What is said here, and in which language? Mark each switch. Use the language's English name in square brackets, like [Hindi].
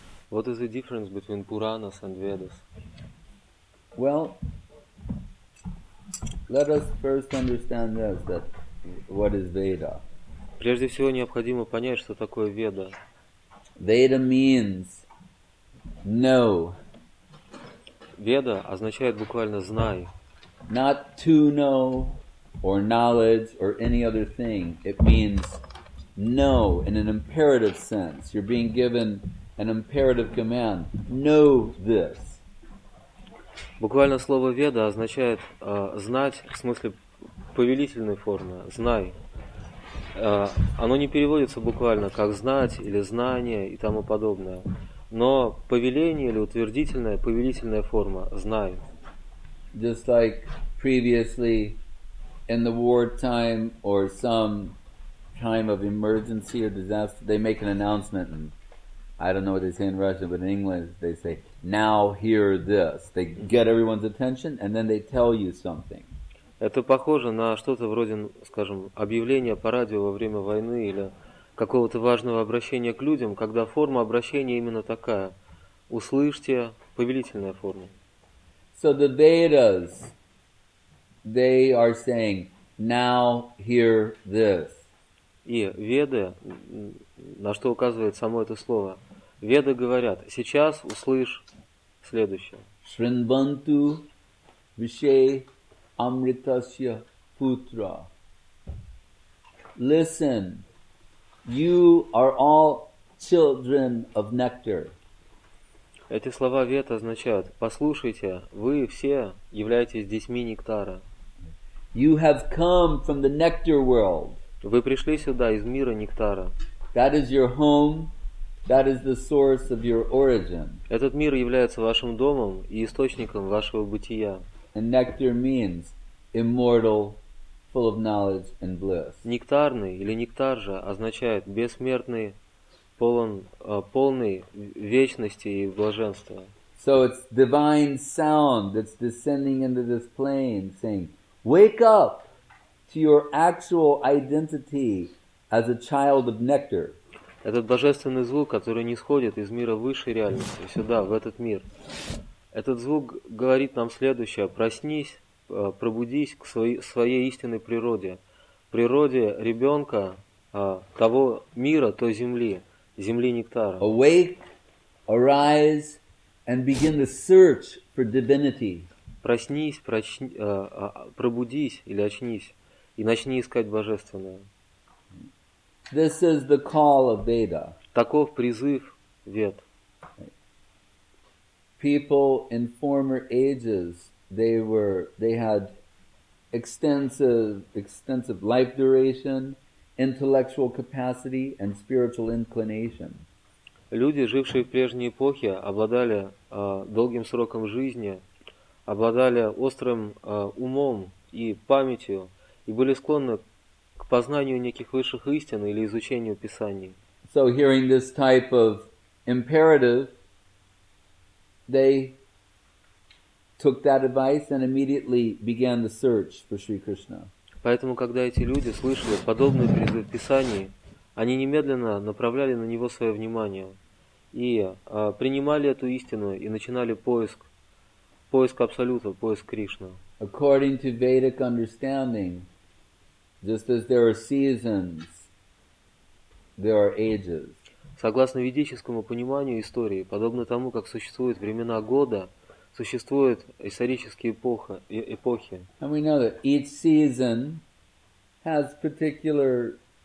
[English] What is the difference between Puranas and Vedas? Well, let us first understand this, that what is Veda? [Russian] Прежде всего необходимо понять, что такое Веда. [English] Veda means know. [Russian] Веда означает буквально знай. [English] Not to know or knowledge or any other thing. It means know in an imperative sense. You're being given an imperative command. Know this. [Russian] Буквально слово Веда означает знать в смысле повелительной формы. Знай. Оно не переводится буквально как знать или знание и тому подобное. Но повеление или утвердительная, повелительная форма знай. [English] Just like previously in the war time or some time of emergency or disaster, they make an announcement and I don't know what they say in Russian, but in English they say, now hear this. They get everyone's attention and then they tell you something. [Russian] Это похоже на что-то вроде, скажем, объявления по радио во время войны или какого-то важного обращения к людям, когда форма обращения именно такая. Услышьте, повелительная форма. [English] So the Vedas, they are saying, now hear this. [Russian] И Веды, на что указывает само это слово, Веды говорят, сейчас услышь следующее. [Sanskrit] Шринбанту вишей амритасья путра. [English] Listen, you are all children of nectar. [Russian] Эти слова Вед означают, послушайте, вы все являетесь детьми нектара. [English] You have come from the nectar world. [Russian] Вы пришли сюда из мира нектара. [English] That is your home. That is the source of your origin. [Russian] Этот мир является вашим домом и источником вашего бытия. [English] And nectar means immortal, full of knowledge and bliss. [Russian] Нектарный или нектар же означает бессмертный, полный вечности и блаженства. [English] So it's divine sound that's descending into this plane saying, wake up to your actual identity as a child of nectar. [Russian] Этот божественный звук, который нисходит из мира высшей реальности сюда, в этот мир. Этот звук говорит нам следующее. Проснись, пробудись к своей истинной природе. Природе ребенка того мира, той земли, земли нектара. [English] Awake, arise, and begin the search for divinity. [Russian] Проснись, пробудись или очнись и начни искать божественное. [English] This is the call of Veda. [Russian] Таков призыв Вед. [English] People in former ages, they had extensive life duration, intellectual capacity, and spiritual inclination. [Russian] Люди, жившие в прежние эпохи, обладали долгим сроком жизни, обладали острым умом и памятью, и были склонны к познанию неких высших истин или изучению Писаний. [English] So hearing this type of imperative, they took that advice and immediately began the search for Sri Krishna. [Russian] Поэтому, когда эти люди слышали подобный призыв Писаний, они немедленно направляли на него свое внимание и принимали эту истину и начинали поиск Абсолюта, поиск Кришны. [English] According to Vedic understanding, just as there are seasons, there are ages. [Russian] Согласно ведическому пониманию истории, подобно тому, как существуют времена года, существуют исторические эпохи. [English] And we know that each season has particular